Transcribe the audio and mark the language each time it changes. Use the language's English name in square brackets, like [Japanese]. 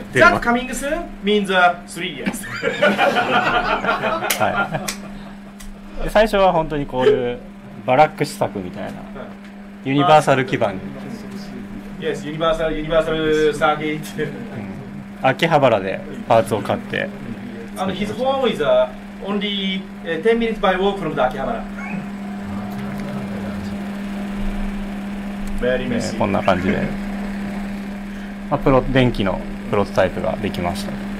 [Japanese] って。 [English] That coming soon means three years. [Japanese] はい。で最初は本当にこういうバラック試作みたいな、はい、ユニバーサル基盤に。 [English] Yes, ユニバーサルサーキット。 [Japanese] 秋葉原でパーツを買って。 [English] And his home is a only 10 minutes by walk from the 秋葉原。 [Japanese] こんな感じで、まあ、電気のプロトタイプができました